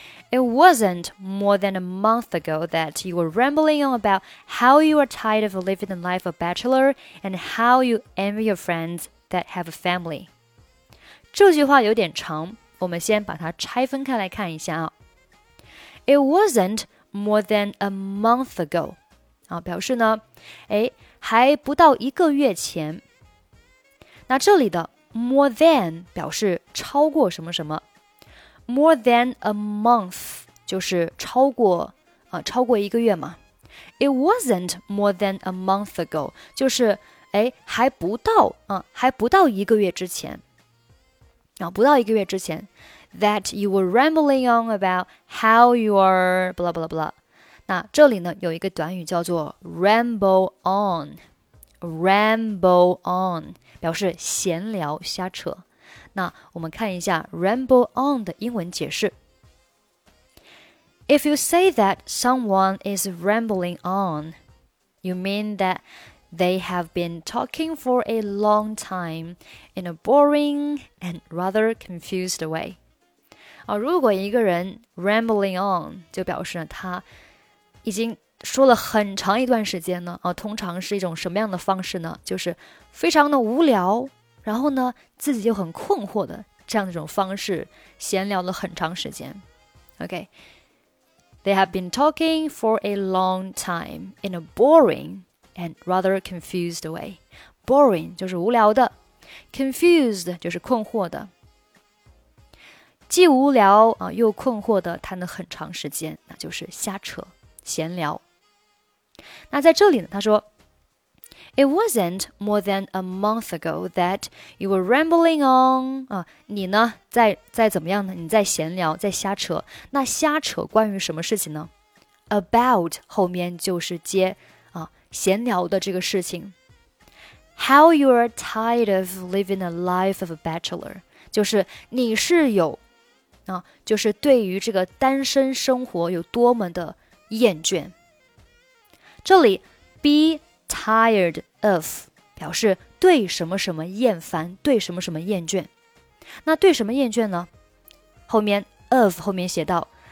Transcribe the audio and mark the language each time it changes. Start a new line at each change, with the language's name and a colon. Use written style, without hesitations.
English: It wasn't more than a month ago that you were rambling on about how you are tired of living the life of a bachelor and how you envy your friends that have a family.
Chinese: 这句话有点长，我们先把它拆分开来看一下、哦、
English: It wasn't more than a month ago.
Chinese: 啊、表示呢、哎、还不到一个月前。那这里的 more than 表示超过什么什么。
English: more than a month
Chinese: 就是超过、啊、超过一个月嘛。
English: it wasn't more than a month ago
Chinese: 就是、哎、还不到、啊、还不到一个月之前、啊、不到一个月之前。
English: that you were rambling on about how you are blah blah blah。
Chinese: 那这里呢有一个短语叫做 ramble on,
English: ramble on,
Chinese: 表示闲聊瞎扯。那我们看一下 ramble on 的英文解释。
English: If you say that someone is rambling on, you mean that they have been talking for a long time in a boring and rather confused way.、
Chinese: 啊、如果一个人 rambling on, 就表示他已经说了很长一段时间呢、啊、通常是一种什么样的方式呢？就是非常的无聊，然后呢自己就很困惑的这样的一种方式，闲聊了很长时间。
English: OK, They have been talking for a long time in a boring and rather confused way.
Chinese: Boring 就是无聊的， confused 就是困惑的，既无聊、啊、又困惑的谈了很长时间，那就是瞎扯闲聊。那在这里呢，他说
English: It wasn't more than a month ago that you were rambling on、
Chinese: 啊、你呢 在怎么样呢，你在闲聊，在瞎扯。那瞎扯关于什么事情呢？ About 后面就是接、啊、闲聊的这个事情。
English: How you are tired of living a life of a bachelor,
Chinese: 就是你是有、啊、就是对于这个单身生活有多么的厌倦。这里 be tired of 表示对什么什么厌烦，对什么什么厌倦。那对什么厌倦呢？后面 of 后面写到